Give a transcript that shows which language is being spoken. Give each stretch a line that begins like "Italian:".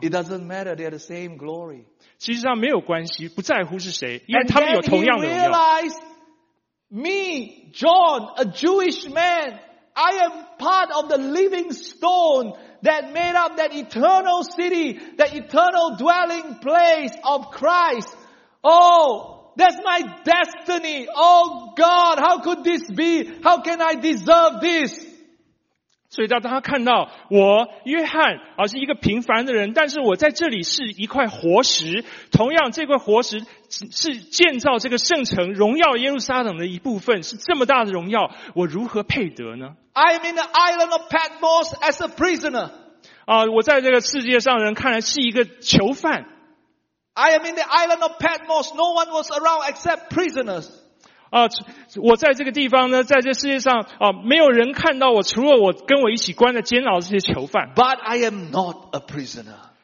English: It doesn't matter, they are the same glory.
Chinese: 其实上没有关系，不在乎是谁，因为他们有同样的荣耀。
English: And then he realized, me, John, a Jewish man, I am part of the living stone that made up that eternal city, that eternal dwelling place of Christ. Oh, that's my destiny. Oh God, how could this be? How can I deserve this?
Chinese: 所以当他看到我约翰而是一个平凡的人，但是我在这里是一块活石，同样这块活石是建造这个圣城荣耀耶路撒冷的一部分，是这么大的荣耀，我如何配得呢？
English: I am in the island of Patmos as a prisoner.
Chinese: 我在这个世界上人看来是一个囚犯。
English: I am in the island of Patmos. No one was around except prisoners.
Chinese: 我在这个地方呢，在这世界上没有人看到我，除了我跟我一起关在监牢的这些囚犯。
English: But I am not a prisoner.